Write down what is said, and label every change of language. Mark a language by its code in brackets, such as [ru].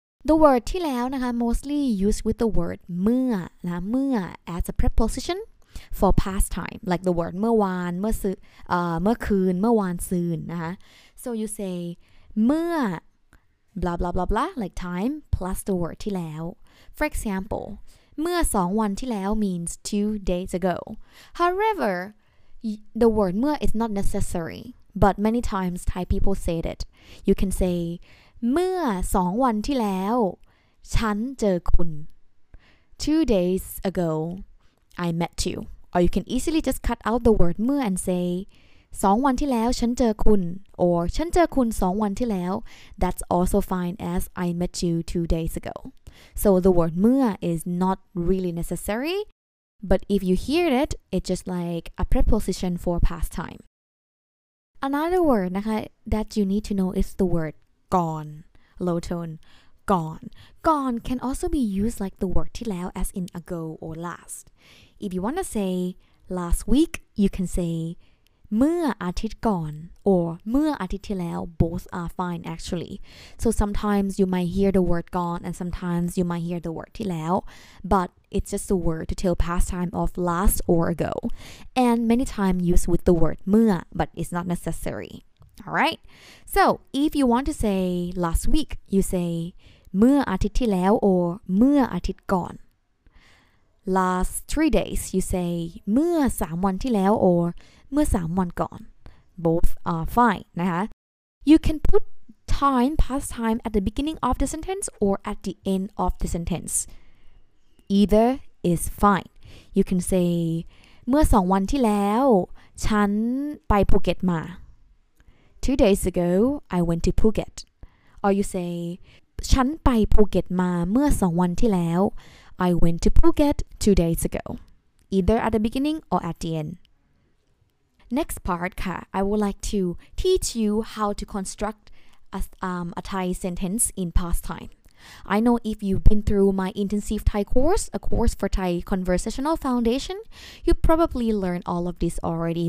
[en] The word ที่แล้วนะคะ mostly used with the word เมื่อนะเมื่อ as a preposition for past time, like the word เมื่อวานเมื่อซื้อเมื่อคืนเมื่อวานซืนนะคะ so you say เมื่อ blah blah blah blah like time plus the word ที่แล้ว for example เมื่อ2วันที่แล้ว means 2 days ago. HoweverThe word เมื่อ is not necessary, but many times Thai people say it. You can say [th] เมื่อ2วันที่แล้วฉันเจอคุณ [en] 2 days ago I met you. Or you can easily just cut out the word เมื่อ and say [th] 2วันที่แล้วฉันเจอคุณ [en] or [th] ฉันเจอคุณ2วันที่แล้ว [en] That's also fine as I met you 2 days ago. So the word เมื่อ is not really necessaryBut if you hear it, it's just like a preposition for past time. Another word นะคะ that you need to know is the word gone, low tone, gone. Gone can also be used like the word ที่แล้ว as in ago or last. If you want to say last week, you can say [th] เมื่ออาทิตย์ก่อน [en] or [th] เมื่ออาทิตย์ที่แล้ว [en] both are fine actually. So sometimes you might hear the word gone and sometimes you might hear the word ที่แล้ว butIt's just a word to tell past time of last or ago. And many times used with the word เมื่อ but it's not necessary. Alright? So, if you want to say last week, you say [th] เมื่ออาทิตย์ที่แล้ว [en] or [th] เมื่ออาทิตย์ก่อน [en] Last 3 days, you say เมื่อ3วันที่แล้ว or เมื่อ3วันก่อน Both are fine. นะคะ You can put time, past time at the beginning of the sentence or at the end of the sentenceEither is fine. You can say [th] เมื่อ2วันที่แล้วฉันไปภูเก็ตมา [en] 2 days ago I went to Phuket. Or you say [th] ฉันไปภูเก็ตมาเมื่อ2วันที่แล้ว [en] I went to Phuket 2 days ago. Either at the beginning or at the end. Next part ค่ะ I would like to teach you how to construct a Thai sentence in past timeI know if you've been through my intensive Thai course, a course for Thai Conversational Foundation, you probably learned all of this already.